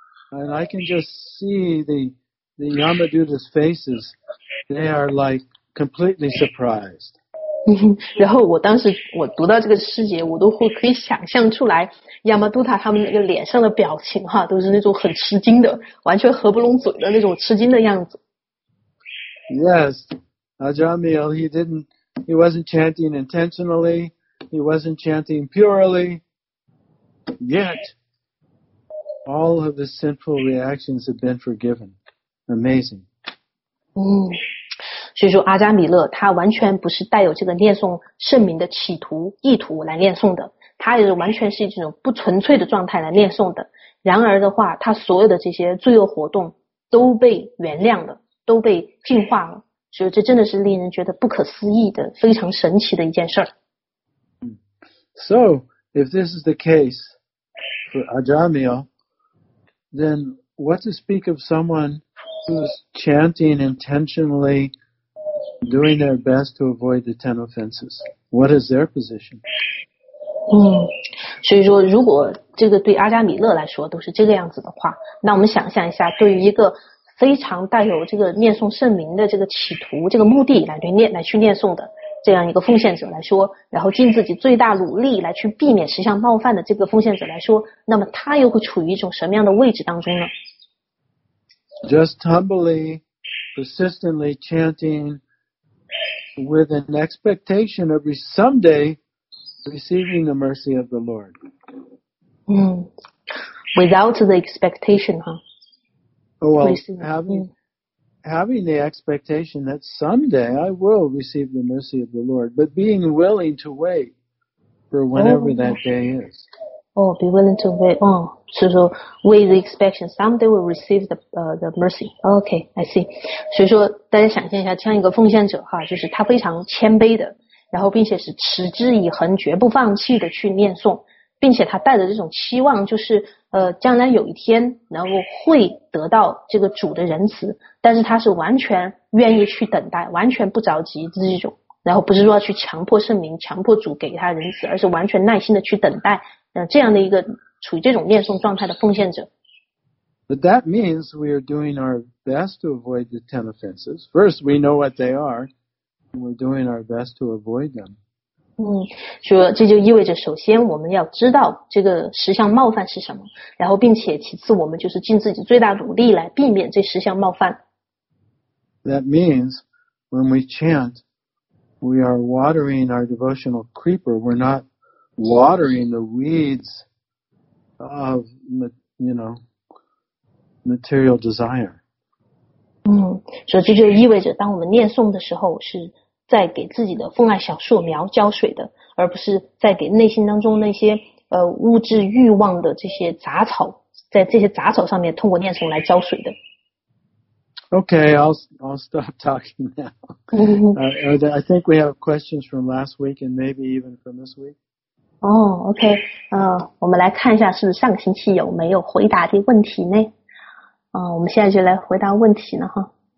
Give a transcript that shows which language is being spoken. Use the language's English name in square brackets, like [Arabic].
[English] And I can just see the Yamadutas' faces, they are like completely surprised. [Chinese] 然后我当时我读到这个诗节我都会可以想象出来 Yamadutta 他们那个脸上的表情哈都是那种很吃惊的完全合不拢嘴的那种吃惊的样子。 [English] Yes, Ajamil, he wasn't chanting intentionally. He wasn't chanting purely, yet all of his sinful reactions have been forgiven. Amazing. [Chinese] 所以说阿扎米勒他完全不是带有这个念诵圣名的企图意图来念诵的，他也完全是这种不纯粹的状态来念诵的。然而的话，他所有的这些罪恶活动都被原谅了，都被净化了。所以这真的是令人觉得不可思议的，非常神奇的一件事儿。 [English] So, if this is the case for Ajamil, then what to speak of someone who's chanting intentionally, doing their best to avoid the ten offenses? What is their position? [Chinese] 所以说如果这个对阿扎米勒来说都是这个样子的话，那我们想象一下对于一个非常带有这个念诵圣名的这个企图这个目的来去念诵的这样一个奉献者来说，然后尽自己最大努力来去避免十项冒犯的这个奉献者来说，那么他又会处于一种什么样的位置当中呢？ [English] Just humbly, persistently chanting with an expectation of someday receiving the mercy of the Lord. Without the expectation, huh? Oh, well, having the expectation that someday I will receive the mercy of the Lord, but being willing to wait for whenever that day is. Oh, be willing to wait. Oh, so, so with the expectation, someday we'll receive the mercy. Okay, I see. [Chinese] 所以说大家想象一下这样一个奉献者哈，就是他非常谦卑的，然后并且是持之以恒绝不放弃的去念诵，并且他带着这种期望，就是将来有一天然后会得到这个主的仁慈，但是他是完全愿意去等待，完全不着急这种，然后不是说去强迫圣灵强迫主给他仁慈，而是完全耐心的去等待这样的一个处于这种念诵状态的奉献者。 [English] But that means we are doing our best to avoid the ten offenses. First, we know what they are, and we're doing our best to avoid them. [Chinese] 所以这就意味着首先我们要知道这个十项冒犯是什么，然后并且其次我们就是尽自己最大努力来避免这十项冒犯。 [English] That means when we chant, we are watering our devotional creeper. We're not watering the weeds of, you know, material desire. [Chinese] 所以这就意味着当我们念诵的时候是在给自己的奉爱小树苗浇水的，而不是在给内心当中那些物质欲望的这些杂草，在这些杂草上面通过念诵来浇水的。 [English] Okay, I'll stop talking now. I think we have questions from last week and maybe even from this week. Oh, okay. [Chinese] 我们来看一下是上个星期有没有回答的问题呢？我们现在就来回答问题了哈。